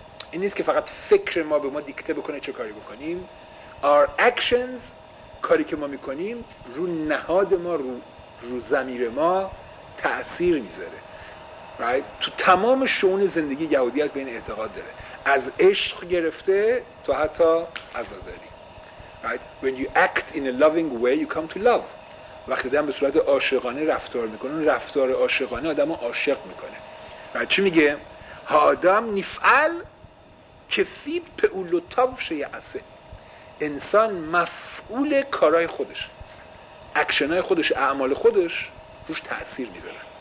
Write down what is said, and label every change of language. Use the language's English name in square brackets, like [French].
[Persian] این نیست که فقط فکر ما به ما دیکته بکنه چه کاری بکنیم. [English] Our actions [Persian] کاری که ما میکنیم رو نهاد ما رو ضمیر ما تأثیر میذاره. Right؟ تو تمام شئون زندگی یهودیت به این اعتقاد داره. از عشق گرفته تا حتی عزاداری. [English] Right؟ When you act in a loving way you come to love. [Persian] وقتی آدم به صورت عاشقانه رفتار میکنه، رفتار عاشقانه آدمو عاشق میکنه. بعد چی میگه؟ [Hebrew] ها آدم نفعل کفی پئولوتاو شیعسه. [Persian] انسان مفعول کارهای خودش، اکشنهای خودش، اعمال خودش روش تأثیر میذاره.